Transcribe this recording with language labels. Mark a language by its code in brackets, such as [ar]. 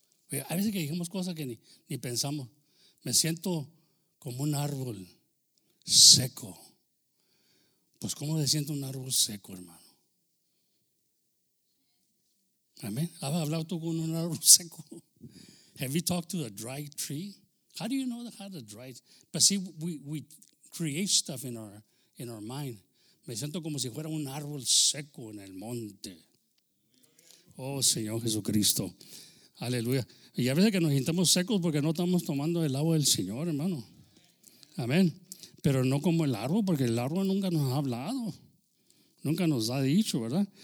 [es] Oye, a veces que dijimos cosas que ni pensamos. Me siento como un árbol seco. Pues, ¿cómo se siente un árbol seco, hermano? Amén. ¿Has hablado tú con un árbol seco? [en] Have you talked to a dry tree? How do you know how to dry? But see, we create stuff in our mind. [es] Me siento como si fuera un árbol seco en el monte. Oh, Señor Jesucristo. Aleluya. Y a veces que nos sintamos secos porque no estamos tomando el agua del Señor, hermano. Amén. Pero no como el árbol, porque el árbol nunca nos ha hablado. Nunca nos ha dicho, ¿verdad?